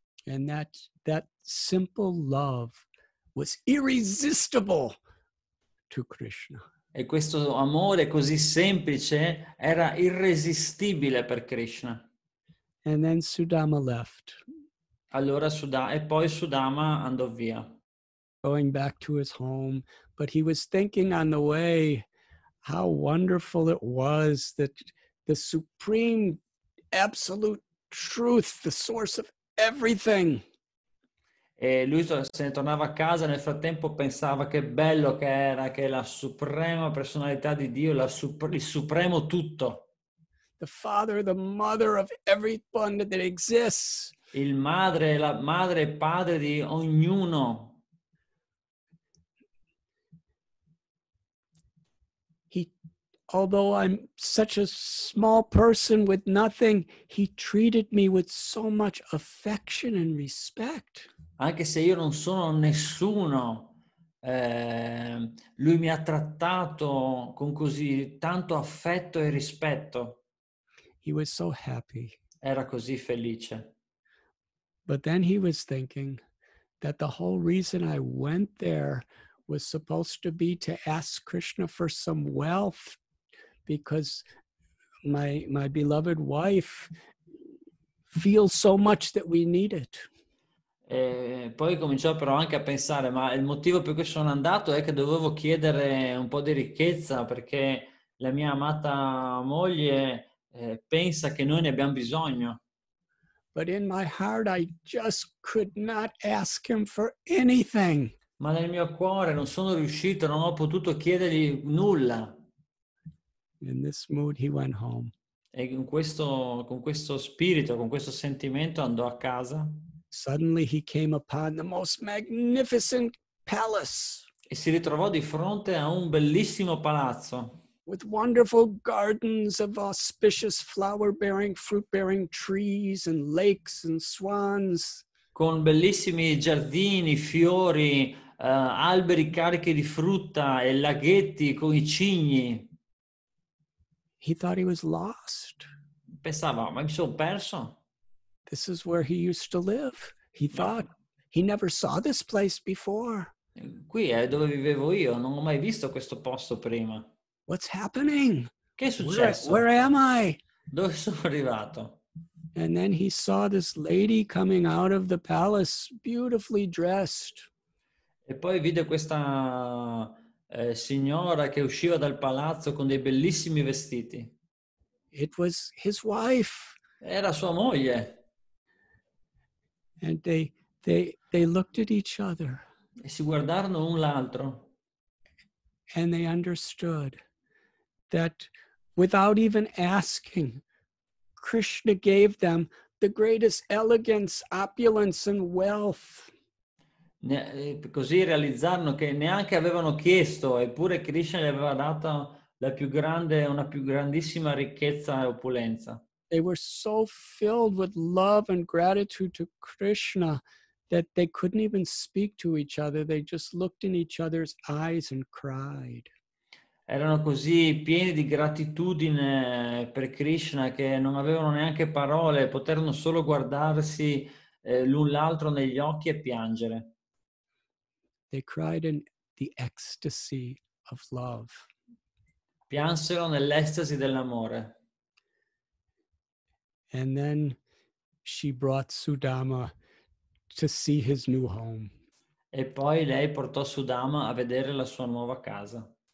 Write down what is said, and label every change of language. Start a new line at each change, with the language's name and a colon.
English: And that simple love was irresistible to Krishna.
Italian: E questo amore così semplice era irresistibile per Krishna.
English: And then Sudama left.
Italian: Allora Sudama andò via.
English: Going back to his home, but he was thinking on the way how wonderful it was that the supreme absolute truth, the source of everything.
Italian: E lui se ne tornava a casa, nel frattempo pensava che bello che era, che la suprema personalità di Dio, il supremo tutto.
English: The father, the mother of everyone that exists.
Italian: Il madre, la madre e padre di ognuno.
English: Although I'm such a small person with nothing, he treated me with so much affection and respect.
Italian: Anche se io non sono nessuno, lui mi ha trattato con così tanto affetto e rispetto.
English: He was so happy.
Italian: Era così felice.
English: But then he was thinking that the whole reason I went there was supposed to be to ask Krishna for some wealth. Because my beloved wife feels so much that we need it.
Italian: E poi cominciò però anche a pensare, ma il motivo per cui sono andato è che dovevo chiedere un po' di ricchezza perché la mia amata moglie pensa che noi ne abbiamo bisogno.
English: But in my heart I just could not ask him for anything.
Italian: Ma nel mio cuore non sono riuscito, non ho potuto chiedergli nulla.
English: In this mood, he went home.
Italian: E con questo spirito, con questo sentimento, andò a casa.
English: suddenly he came upon the most magnificent palace.
Italian: E si ritrovò di fronte a un bellissimo palazzo.
English: With wonderful gardens of auspicious flower-bearing, fruit-bearing trees and lakes and swans.
Italian: Con bellissimi giardini, fiori, alberi carichi di frutta e laghetti con i cigni.
English: He thought he was lost.
Italian: Pensava, ma mi sono perso.
English: This is where he used to live. He thought he never saw this place before.
Italian: Qui è dove vivevo io, non ho mai visto questo posto prima.
English: What's happening?
Italian: Che è successo?
English: Where am I?
Italian: Dove sono arrivato?
English: And then he saw this lady coming out of the palace, beautifully dressed.
Italian: E poi vide questa signora che usciva dal palazzo con dei bellissimi vestiti.
English: It was his wife.
Italian: Era sua moglie.
English: And they looked at each other.
Italian: E si guardarono un l'altro.
English: And they understood that without even asking, Krishna gave them the greatest elegance, opulence, and wealth.
Italian: Così realizzarono che neanche avevano chiesto, eppure Krishna gli aveva dato la più grande, una più grandissima ricchezza e opulenza.
English: They were so filled with love and gratitude to Krishna that they couldn't even speak to each other. They just looked in each other's eyes and cried.
Italian: Erano così pieni di gratitudine per Krishna che non avevano neanche parole, poterono solo guardarsi l'un l'altro negli occhi e piangere.
English: They cried in the ecstasy of love.
Italian: Piansero nell'estasi dell'amore.
English: And then she brought Sudama to see his new home.
Italian: E poi lei portò Sudama a vedere la sua nuova casa.